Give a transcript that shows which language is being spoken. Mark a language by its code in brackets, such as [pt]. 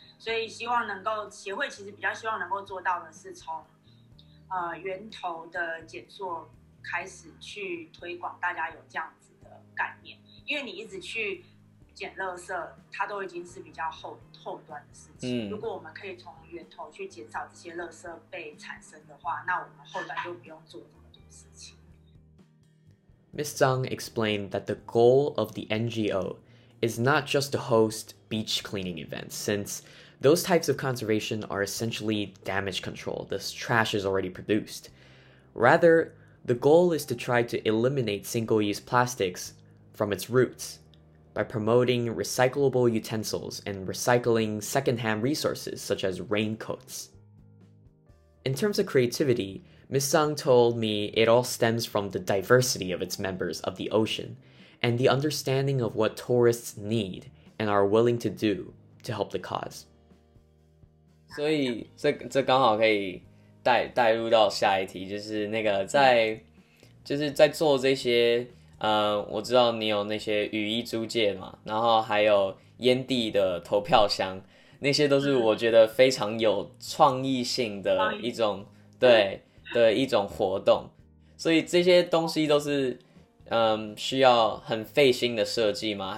[zh] 所以希望能够协会其实比较希望能够做到的是从源头的减塑开始去推广大家有这样子的概念，因为你一直去捡垃圾它都已经是比较 后端的事情，如果我们可以从源头去减少这些垃圾被产生的话，那我们后端就不用做这么多事情。 [en] Ms. Dung explained that the goal of the NGO is not just to host beach cleaning events, since those types of conservation are essentially damage control, this trash is already produced. Rather,the goal is to try to eliminate single-use plastics from its roots by promoting recyclable utensils and recycling second-hand resources such as raincoats. In terms of creativity, Ms. Sung told me it all stems from the diversity of its members of the ocean and the understanding of what tourists need and are willing to do to help the cause. [zh] 所以这刚好可以带入到下一题，就是那个在做这些我知道你有那些雨衣租借嘛，然后还有烟蒂的投票箱，那些都是我觉得非常有创意性的一种对的一种活动，所以这些东西都是需要很费心的设计吗？